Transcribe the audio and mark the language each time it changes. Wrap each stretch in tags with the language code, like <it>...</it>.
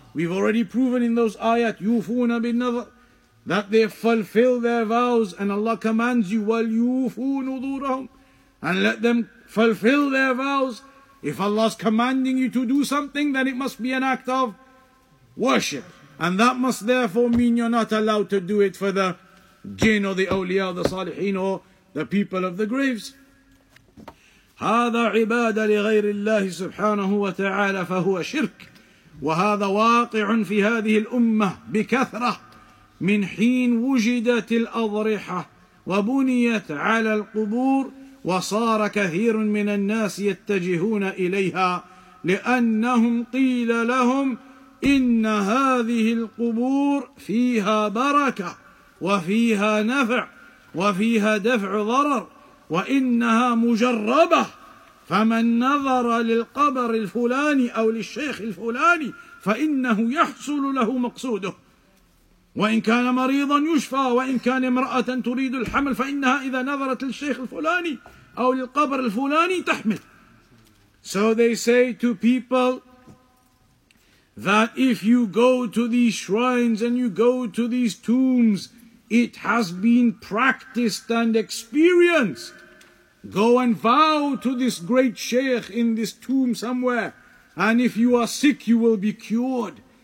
<en>We've already proven in those ayat,</en> <ar>yufuna bin nadhar,</ar> <en>that they fulfill their vows, and Allah commands you,</en> <ar>wal yufuna nudurahum,</ar> <en>and let them fulfill their vows. If Allah's commanding you to do something, then it must be an act of worship. And that must therefore mean you're not allowed to do it for the jinn or the awliya, the salihin or the people of the graves.</en> <ar>هذا عبادة لغير الله سبحانه وتعالى فهو شرك وهذا واقع في هذه الأمة بكثرة من حين وجدت الأضرحة وبنيت على القبور وصار كثير من الناس يتجهون إليها لأنهم قيل لهم إن هذه القبور فيها بركة وفيها نفع وفيها دفع ضرر وإنها مجربة فمن نظر للقبر الفلاني أو للشيخ الفلاني فإنه يحصل له مقصوده وإن كان مريضا يشفى وإن كان امرأة تريد الحمل فإنها إذا نظرت للشيخ الفلاني أو للقبر الفلاني تحمل.</ar> <en>So they say to people that if you go to these shrines and you go to these tombs, it has been practiced and experienced. Go and vow to this great sheikh in this tomb somewhere, and if you are sick, you will be cured.</en>